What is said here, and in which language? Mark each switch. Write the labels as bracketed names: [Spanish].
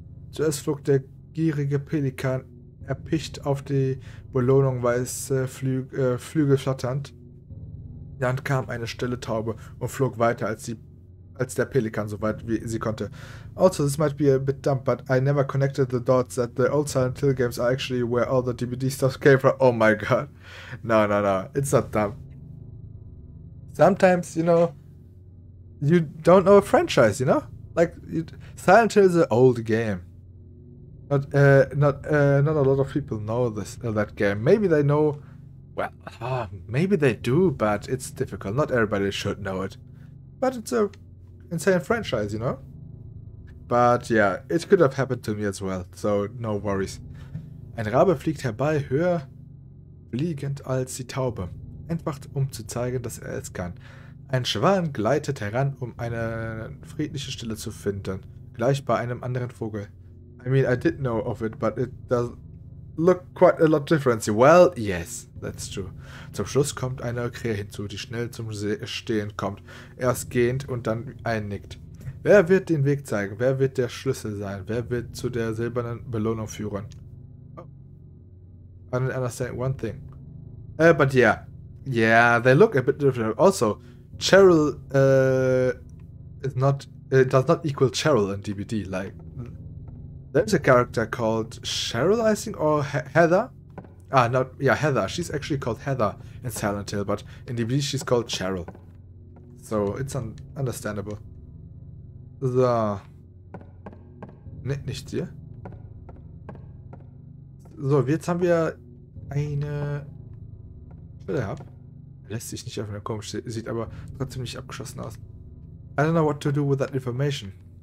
[German] Zuerst flog der gierige Pelikan erpicht auf die Belohnung, weiße Flügel flatternd. Dann kam eine stille Taube und flog weiter als der Pelikan, so weit wie sie konnte. [English] Also, this might be a bit dumb, but I never connected the dots that the old Silent Hill games are actually where all the DVD stuff came from. Oh my god. No, it's not dumb. Sometimes, you know, you don't know a franchise, you know? Like, Silent Hill is an old game. Not a lot of people know this that game. Maybe they know, well, maybe they do, but it's difficult. Not everybody should know it. But it's a insane franchise, you know? But yeah, it could have happened to me as well, so no worries. [German] Ein Rabe fliegt herbei, höher fliegend als die Taube. Entwacht, um zu zeigen, dass er es kann. Ein Schwan gleitet heran, um eine friedliche Stille zu finden. Gleich bei einem anderen Vogel. [English] I mean, I didn't know of it, but it does look quite a lot different. Well, yes, that's true. [German] Zum Schluss kommt eine Krähe hinzu, die schnell zum Stehen kommt. Erst gähnt und dann einnickt. Wer wird den Weg zeigen? Wer wird der Schlüssel sein? Wer wird zu der silbernen Belohnung führen? [English] Oh. I don't understand one thing. But yeah. Yeah, they look a bit different. Also, Cheryl does not equal Cheryl in DBD. Like, there's a character called Cheryl, I think, or Heather. Heather. She's actually called Heather in Silent Hill, but in DBD she's called Cheryl. So it's understandable. So. [German] Nee, nicht hier. So, jetzt haben wir eine Schwelle gehabt. Lässt sich nicht öffnen, komisch, sieht aber trotzdem nicht abgeschossen aus. [English] I don't know what to do with that information.